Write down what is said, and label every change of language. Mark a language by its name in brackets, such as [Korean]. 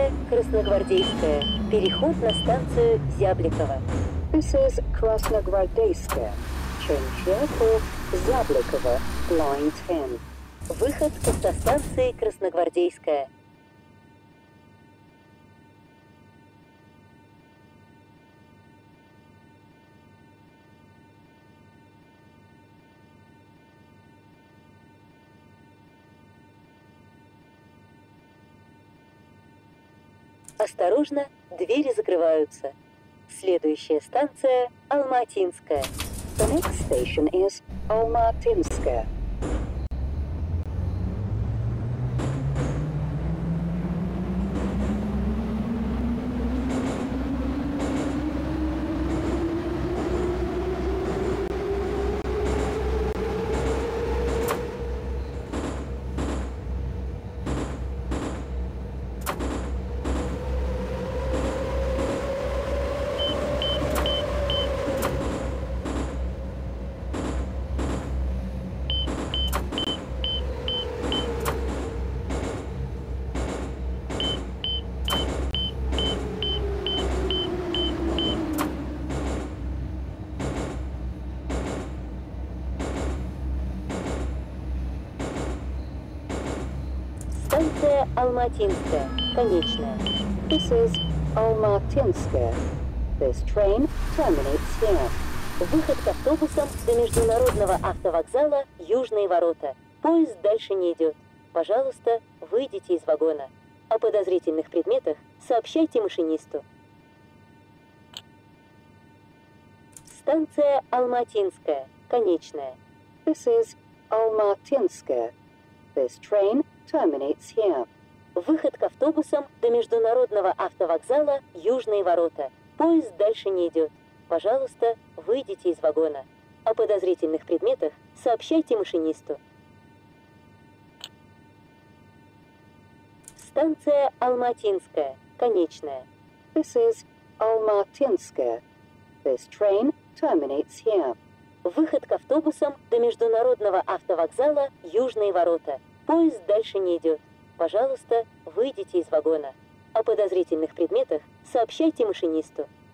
[Russian] Красногвардейская. Переход на станцию Зябликова. [English] This is Красногвардейская. Change here for Зябликова. Line 10. [Russian] Выход к автостанции Красногвардейская. Осторожно, двери закрываются. Следующая станция – Алма-Атинская. [English] The next station is Алма-Атинская. [Russian] Алма-Атинская. Конечная. [English] This is Алма-Атинская. This train terminates here. [Russian] Выход к автобусам до международного автовокзала Южные Ворота. Поезд дальше не идет. Пожалуйста, выйдите из вагона. О подозрительных предметах сообщайте машинисту. Станция Алма-Атинская. Конечная. [English] This is Алма-Атинская. This train terminates here. [Russian] Выход к автобусам до международного автовокзала Южные Ворота. Поезд дальше не идет. Пожалуйста, выйдите из вагона. О подозрительных предметах сообщайте машинисту. Станция Алма-Атинская. Конечная. [English] This is Алма-Атинская. This train terminates here. [Russian] Выход к автобусам до международного автовокзала Южные Ворота. Поезд дальше не идет. Пожалуйста, выйдите из вагона. О подозрительных предметах сообщайте машинисту.